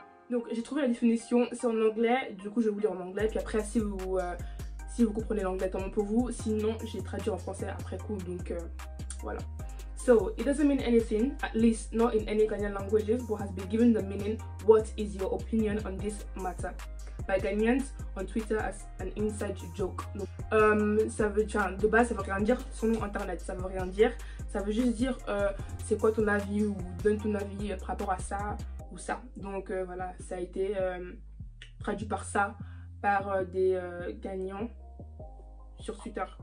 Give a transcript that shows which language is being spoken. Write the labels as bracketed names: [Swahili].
[French] Donc j'ai trouvé la définition, c'est en anglais, du coup je vais vous lire en anglais, puis après si vous comprenez l'anglais, tant mieux pour vous, sinon j'ai traduit en français après coup, donc voilà. [English] So, it doesn't mean anything, at least not in any Ghanaian languages, but has been given the meaning, what is your opinion on this matter, by Ghanaians on Twitter as an inside joke. [French] Donc, ça veut dire, de base ça veut rien dire, son nom internet, ça veut rien dire, ça veut juste dire c'est quoi ton avis, ou donne ton avis par rapport à ça, ou ça. Donc voilà, ça a été traduit par ça, par des gagnants sur Twitter.